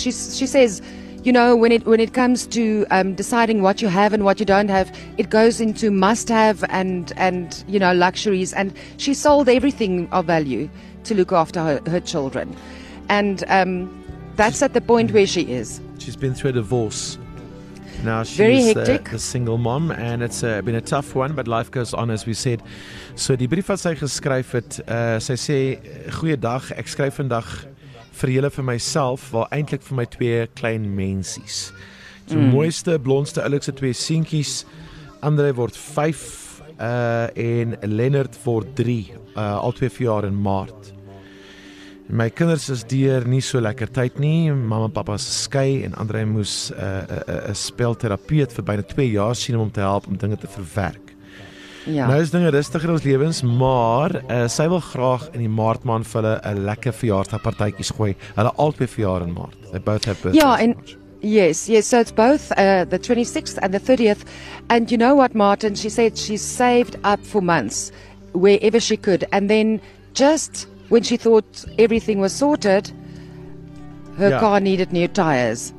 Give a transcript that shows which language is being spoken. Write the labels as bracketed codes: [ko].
[en] She says, you know, when it comes to deciding what you have and what you don't have, it goes into must have and you know, luxuries. And she sold everything of value to look after her children. And that's at the point where she is. She's been through a divorce. Now she's very hectic. A single mom, and it's been a tough one, but life goes on, as we said. [af] So die brief wat sy geskryf het, sy sê, goeiedag, ek skryf vandag vir julle, vir myself, wel eintlik vir my twee klein mensies. Die mooiste, blondste, oulikste twee seentjies. André word 5 en Leonard word 3, al 2 jaar in Maart. My kinders is deur nie so lekker tyd nie. Mama en papa se skei en André moes 'n spelterapeut vir byna 2 jaar sien om te help om dinge te verwerk. Ja. Nou is dinge rustiger in ons lewens, maar sy wil graag in die Maart maand vir hulle 'n lekker verjaarsdagpartytjies gooi. Hulle albei verjaar in Maart. They both have birthdays. [en] Ja, en yes, so it's both the 26th and the 30th. And you know what, Martin, she said she saved up for months wherever she could, and then just when she thought everything was sorted, her car needed new tires.